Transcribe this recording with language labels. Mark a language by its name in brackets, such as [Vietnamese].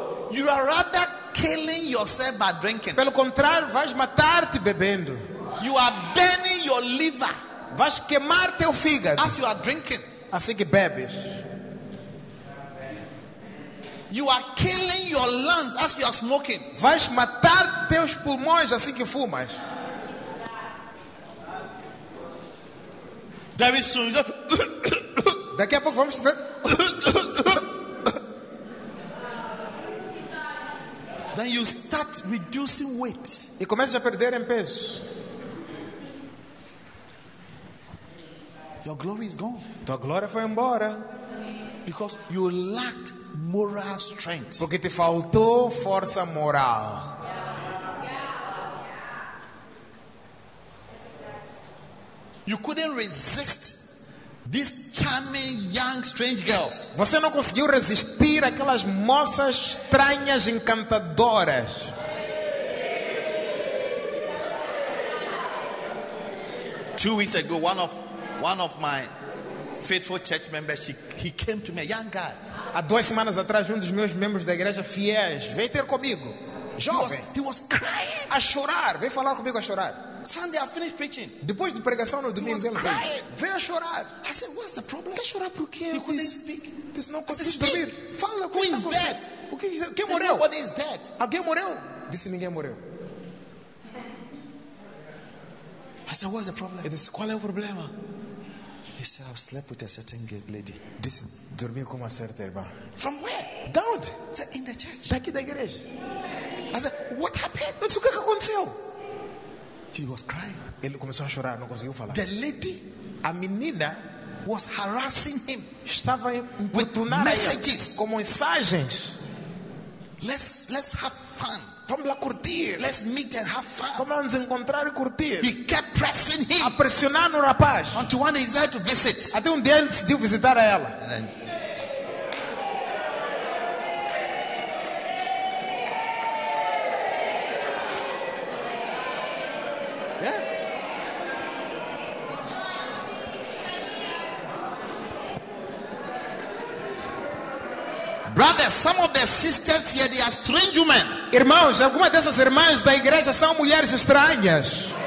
[English] You are rather killing yourself by drinking. [Portuguese] Pelo contrário, vais matar-te bebendo. [English] You are burning your liver. [Portuguese] Vais queimar teu fígado. [English] As you are drinking, [Portuguese] assim que bebes. [English] You are killing your lungs as you are smoking. [Portuguese] Vais matar teus pulmões assim que fumas. [English] Very soon. [Portuguese] Daqui a pouco vamos ver. [English] Then you start reducing weight. [Portuguese] E começas a perder em peso. [English] Your glory is gone. [Portuguese] Tua glória foi embora. [English] Because you lacked moral strength. [Portuguese] Porque te faltou força moral. [English] You couldn't resist these charming young strange girls. [Portuguese] Você não conseguiu resistir aquelas moças estranhas encantadoras. [English] Two weeks ago, one of my faithful church members, he came to me, a young guy. [Portuguese] Há 2 semanas atrás, um dos meus membros da igreja fiéis veio ter comigo. Jovem. [English] He was crying. [Portuguese] A chorar. Veio falar comigo a chorar. [English] Sunday, I finished preaching. [Portuguese] Depois de pregação no domingo, ele veio. Veio a chorar. [English] I said, what's the problem? [Portuguese] Quer chorar por quê? [English] You couldn't speak. [Portuguese] This não consegue dormir. Fala, [English] who is dead? [Portuguese] Quem morreu? [English] Nobody is dead. [Portuguese] Alguém morreu? Disse, ninguém morreu. [English] I said, what's the problem? [Portuguese] Ele disse, qual é o problema? [English] He said, I've slept with a certain lady. [Portuguese] This dormiu com uma certa irmã. [English] From where? Down. In the church. [Portuguese] Daqui da igreja. [English] I said, what happened? [Portuguese] Mas o que aconteceu? [English] She was crying. [Portuguese] Ele começou a chorar, não conseguiu falar. [English] The lady, [Portuguese] a menina, [English] was harassing him. [Portuguese] Estava importunando [English] messages. [Portuguese] Com mensagens. [English] Let's have fun. [Portuguese] Vamos lá curtir. [English] Let's meet and have fun. [Portuguese] Vamos lá nos encontrar e curtir. [English] He kept pressing him. [Portuguese] A pressionar no rapaz. [English] Until one day he decided to visit. [Portuguese] Até um dia ele decidiu visitar a ela. [English] And then... yeah. Brothers, some of the sisters here, they are strange women. [Portuguese] Irmãos, algumas dessas irmãs da igreja são mulheres estranhas.